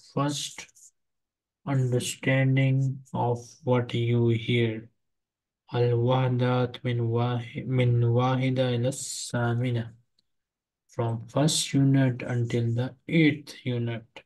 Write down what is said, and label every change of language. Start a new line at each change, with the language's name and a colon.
English: First, understanding of what you hear.
Arabic: الوحدات من واحدة إلى الثامنة.
English: From first unit until the eighth unit.